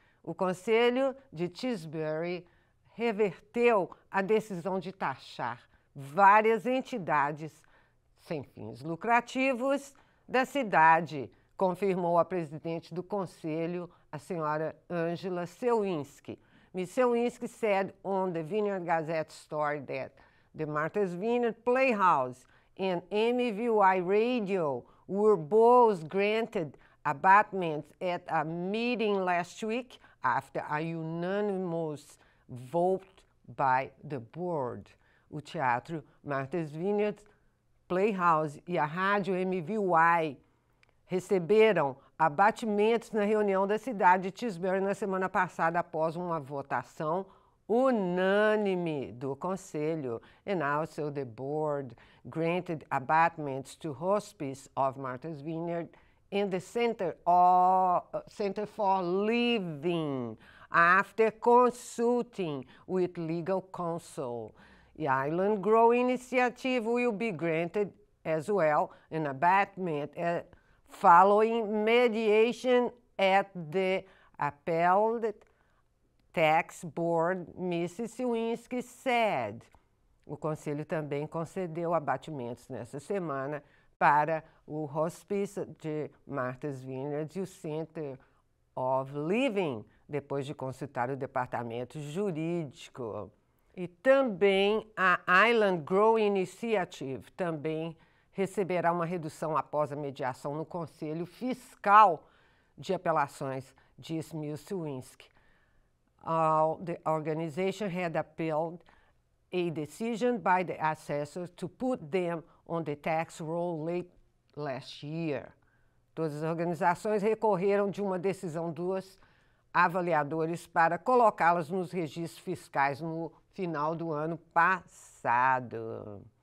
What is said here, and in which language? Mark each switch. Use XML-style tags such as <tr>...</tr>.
<pt>O Conselho de Tisbury reverteu a decisão de taxar várias entidades sem fins lucrativos da cidade, confirmou a presidente do Conselho, a senhora Angela Siwinski.</pt> <en>Ms. Siwinski said on the Vineyard Gazette story that the Martha's Vineyard Playhouse and MVY Radio were both granted abatements at a meeting last week after a unanimous vote by the board.</en> <pt>O teatro Martha's Vineyard Playhouse e a rádio MVY receberam abatimentos na reunião da cidade de Tisbury na semana passada após uma votação unânime do conselho.</pt> <en>And also the board granted abatements to Hospice of Martha's Vineyard in the Center for Living after consulting with legal counsel. The Island Grow Initiative will be granted as well an abatement following mediation at the appellate tax board, Mrs. Siwinski said.</en> <pt>O conselho também concedeu abatimentos nessa semana para o Hospice de Martha's Vineyard e o Center of Living, depois de consultar o departamento jurídico. E também a Island Grow Initiative também receberá uma redução após a mediação no Conselho Fiscal de Apelações, diz Mills Siwinski.</pt> <en>The organization had appealed a decision by the assessor to put them on the tax roll late last year.</en> <pt>Todas as organizações recorreram de uma decisão dos avaliadores para colocá-las nos registros fiscais no final do ano passado.</pt>